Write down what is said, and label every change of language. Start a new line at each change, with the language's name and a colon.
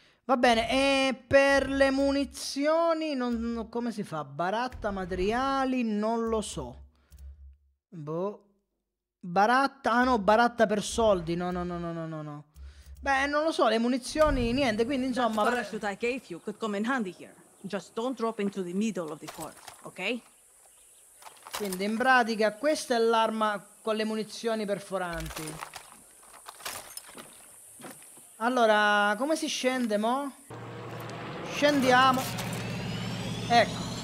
Italian: Va bene, e per le munizioni non, come si fa? Baratta materiali, non lo so. Boh. Baratta, ah no, baratta per soldi. No, no, no, no, no, no, no. Beh, non lo so, le munizioni, niente, quindi insomma.
English: The parachute I gave you could come in handy here. Just don't drop into the middle of the fort, ok?
Italian: Quindi in pratica questa è l'arma con le munizioni perforanti. Allora, come si scende, mo? Scendiamo. Ecco.